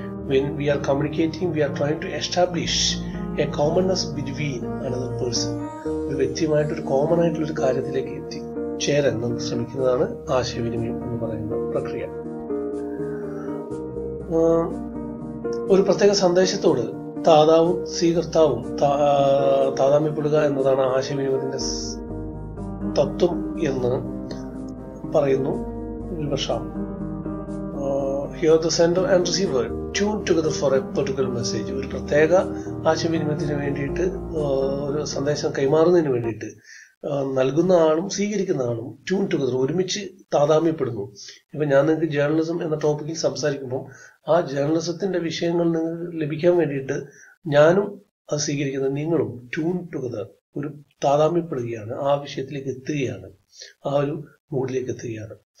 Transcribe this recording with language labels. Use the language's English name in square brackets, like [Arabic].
[English] When we are communicating, we are trying to establish a commonness between another person. [Malayalam] ഒരു വ്യക്തിയുമായിട്ടൊരു common ആയിട്ടുള്ള ഒരു കാര്യത്തിലേക്ക് എത്തിച്ചേരാൻ നാം ശ്രമിക്കുന്നതാണ് ആശയവിനിമയം എന്ന് പറയുന്ന പ്രക്രിയ. ഒരു പ്രത്യേക സന്ദേശത്തോട് താതാവും സ്വീകർത്താവും താതാമ്യപ്പെടുക എന്നതാണ് ആശയവിനിമയത്തിന്റെ തത്വം എന്ന് പറയുന്നു ഉൽവർഷം. [English] Hear the sender and receiver tuned together for a particular message. [Malayalam] ഒരു പ്രത്യേക ആശയവിനിമയത്തിന് വേണ്ടിയിട്ട് ഒരു സന്ദേശം കൈമാറുന്നതിന് വേണ്ടിയിട്ട് നൽകുന്ന ആളും സ്വീകരിക്കുന്ന ആളും [English] tune together [Malayalam] ഒരുമിച്ച് താതാമ്യപ്പെടുന്നു. ഇപ്പം ഞാൻ നിങ്ങൾക്ക് ജേർണലിസം എന്ന ടോപ്പിക്കിൽ സംസാരിക്കുമ്പോൾ ആ ജേർണലിസത്തിൻ്റെ വിഷയങ്ങൾ നിങ്ങൾക്ക് ലഭിക്കാൻ വേണ്ടിയിട്ട് ഞാനും അത് സ്വീകരിക്കുന്ന നിങ്ങളും [English] tune together [Malayalam] ഒരു താതാമ്യപ്പെടുകയാണ്, ആ വിഷയത്തിലേക്ക് എത്തുകയാണ്, ആ ഒരു മൂഡിലേക്ക് എത്തുകയാണ്.